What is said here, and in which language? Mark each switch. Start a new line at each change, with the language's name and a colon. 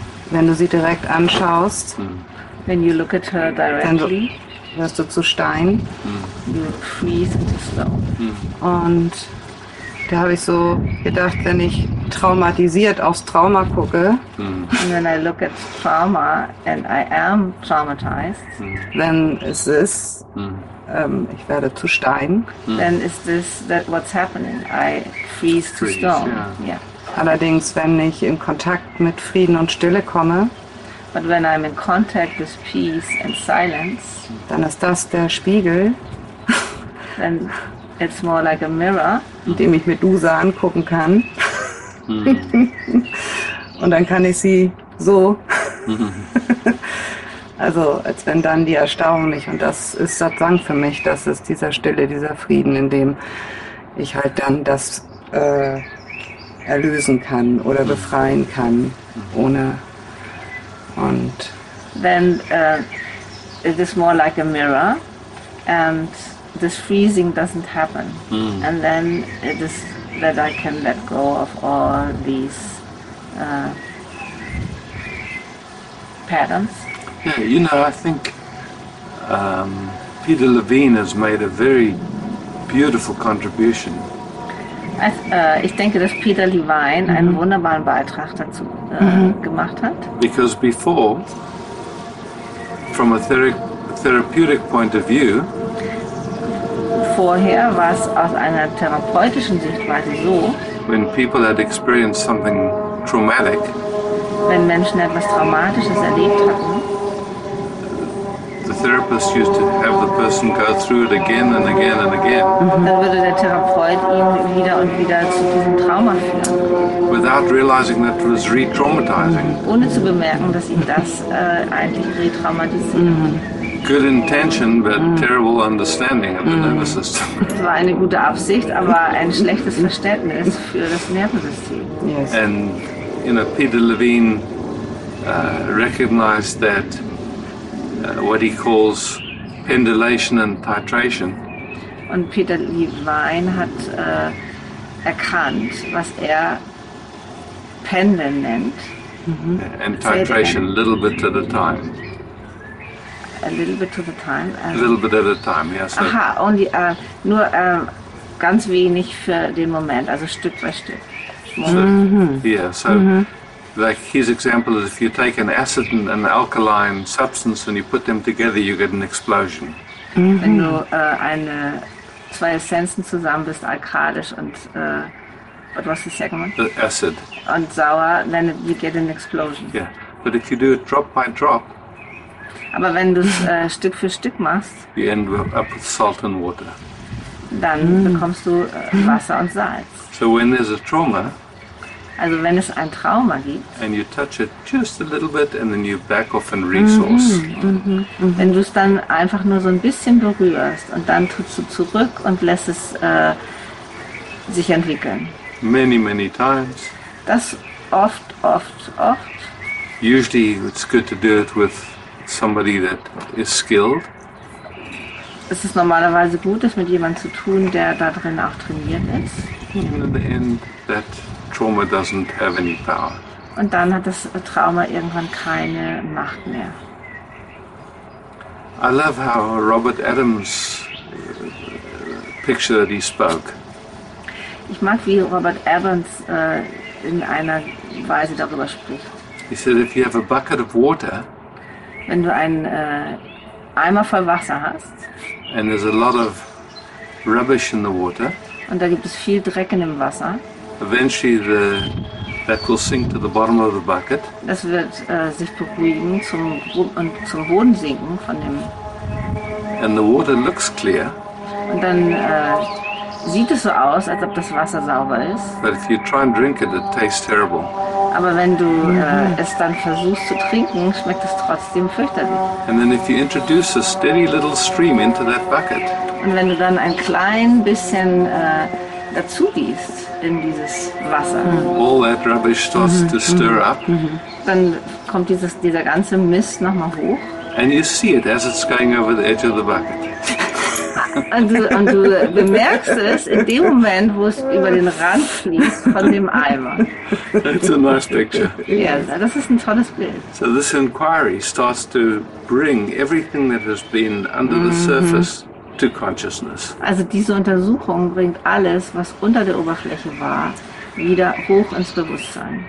German: Wenn du sie direkt anschaust,
English: when you look at her directly,
German: dann wirst du zu Stein.
English: You freeze into stone.
German: Und da habe ich so gedacht, wenn ich traumatisiert aufs Trauma gucke.
English: And when I look at trauma and I am traumatized, then is this,
German: ich werde zu Stein.
English: Then is this that what's happening? I freeze to stone.
German: Allerdings, wenn ich in Kontakt mit Frieden und Stille komme,
English: but when I'm in contact with peace and silence,
German: dann ist das der Spiegel.
English: Then it's more like a mirror,
German: in dem ich Medusa angucken kann. Und dann kann ich sie so, also als wenn dann die Erstaunung nicht, und das ist Satsang für mich, das ist dieser Stille, dieser Frieden, in dem ich halt dann das erlösen kann oder befreien kann, ohne, und
English: then it is more like a mirror and this freezing doesn't happen and then it is that I can let go of all these patterns. Yeah, you know, I think Peter Levine has made a very beautiful contribution.
German: Ich denke, dass Peter Levine einen wunderbaren Beitrag dazu gemacht hat.
English: Because before, from a therapeutic point of view,
German: vorher war es aus einer therapeutischen Sichtweise so,
English: when people had experienced something traumatic,
German: wenn Menschen etwas Traumatisches erlebt hatten,
English: the therapist used to have the person go through it again and again and again.
German: Dann würde der Therapeut ihn wieder und wieder zu diesem Trauma führen,
English: without realizing that it was re-traumatizing.
German: Ohne zu bemerken, dass ihn das eigentlich re-traumatisiert.
English: Good intention, but terrible understanding of the nervous system.
German: Es war eine gute Absicht, aber ein schlechtes Verständnis für das Nervensystem.
English: Yes. And you know, Peter Levine recognized that what he calls pendulation and titration.
German: Und Peter Levine hat erkannt, was er Pendeln nennt.
English: And titration a little bit at a time. A little bit at a time? A little bit at a time, yes.
German: Aha, und nur ganz wenig für den Moment, also Stück für Stück.
English: Like his example is if you take an acid and an alkaline substance and you put them together, you get an explosion. Mm-hmm.
German: Wenn du zwei Essenzen zusammen bist, alkalisch und was ist ja gemacht?
English: Acid.
German: Und sauer,
English: then you get an explosion. Yeah, but if you do it drop by drop.
German: Aber wenn du es Stück für Stück machst.
English: You end up with salt and water.
German: Dann bekommst du Wasser und Salz.
English: So when there's a trauma.
German: Also wenn es ein Trauma gibt.
English: And you touch it just a little bit and then you back off and resource.
German: Wenn du es dann einfach nur so ein bisschen berührst und dann trittst du zurück und lässt es sich entwickeln.
English: Many, many times.
German: Das oft, oft, oft.
English: Usually it's good to do it with somebody that is skilled.
German: Es ist normalerweise gut, es mit jemandem zu tun, der da drin auch trainiert ist.
English: And in the end that trauma doesn't have any power.
German: Und dann hat das Trauma irgendwann keine Macht mehr.
English: I love how Robert Adams picture that he spoke.
German: Ich mag, wie Robert Adams in einer Weise darüber spricht.
English: He said, if you have a bucket of water,
German: wenn du einen Eimer voll Wasser hast,
English: and there's a lot of rubbish in the water,
German: und da gibt es viel Dreck in dem Wasser,
English: eventually that will sink to the bottom of the bucket.
German: Das wird sich beruhigen zum und zum Boden sinken von dem.
English: And the water looks clear.
German: Und dann sieht es so aus, als ob das Wasser sauber ist.
English: But if you try and drink it, it tastes terrible.
German: Aber wenn du es dann versuchst zu trinken, schmeckt es trotzdem fürchterlich.
English: And then if you introduce a steady little stream into that bucket.
German: Und wenn du dann ein klein bisschen dazu gießt in dieses Wasser.
English: All that rubbish starts to stir up.
German: Dann kommt dieser ganze Mist nochmal hoch.
English: And you see it as it's going over the edge of the bucket.
German: Und du bemerkst es in dem Moment, wo es über den Rand fließt von dem Eimer.
English: That's a nice picture.
German: Yeah, das ist ein tolles Bild.
English: So this inquiry starts to bring everything that has been under the surface to consciousness.
German: Also diese Untersuchung bringt alles, was unter der Oberfläche war, wieder hoch ins Bewusstsein.